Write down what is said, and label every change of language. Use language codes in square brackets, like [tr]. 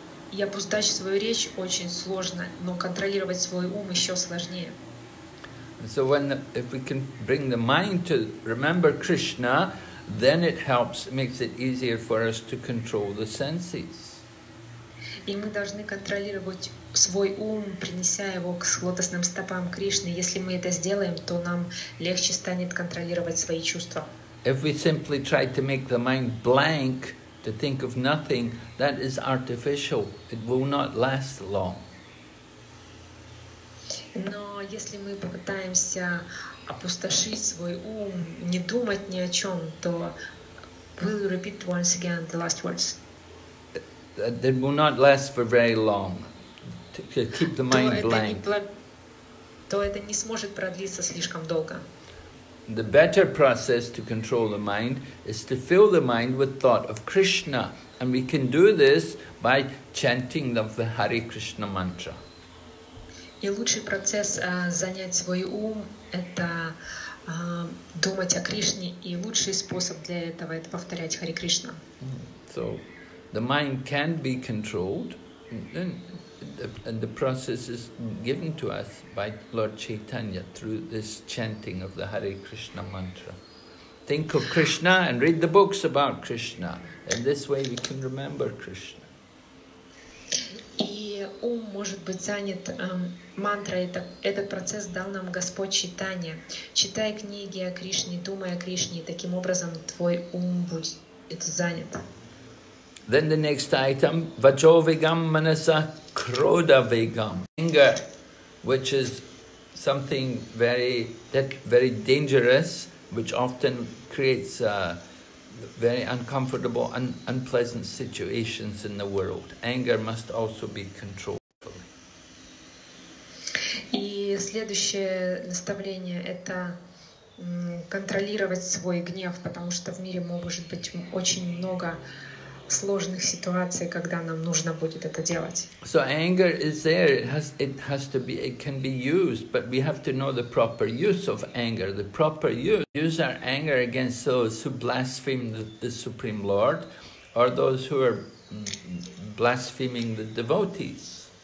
[ru] Я пустачу свою речь очень сложно, но контролировать свой ум еще сложнее. [en] So when the, if we can bring the mind to remember Krishna, then it helps, makes it easier for us to control the senses. [ru] И мы должны контролировать свой ум, принеся его к лотосным стопам Кришны. Если мы это сделаем, то нам легче станет контролировать свои чувства. [en] If we simply try to make the mind blank, to think of nothing, that is artificial. It will not last long. [ru] Но если мы попытаемся опустошить свой ум, не думать ни о чем, то [en] will you repeat once again the last words? That will not last for very long. To keep the mind blank. [ru] То это не сможет продлиться слишком долго. [en] The better process to control the mind is to fill the mind with thought of Krishna, and we can do this by chanting the Hare Krishna mantra. [ru] И лучший процесс занять свой ум – это думать о Кришне, и лучший способ для этого – это повторять Хари Кришна. [en] So, the mind can be controlled, and the process is given to us by Lord Chaitanya through this chanting of the Hare Krishna mantra. Think of Krishna and read the books about Krishna. In this way we can remember Krishna. [ru] Ум может быть занят мантрой. Этот процесс дал нам Господь Чайтанья. Читай книги о Кришне, думай о Кришне, и таким образом твой ум будет занят. [en] Then the next item, [sa] vajovigam manasa krodavigam. [en] Anger, which is something very dangerous, which often creates very uncomfortable and unpleasant situations in the world. Anger must also be controlled. [ru] И следующее наставление – это контролировать свой гнев, потому что в мире может быть очень много сложных ситуаций, когда нам нужно будет это делать. [en] So anger is there, it has to be, it can be used, but we have to know the proper use of anger, the proper use. Use our anger against those who blaspheme the Supreme Lord or those who are blaspheming the devotees.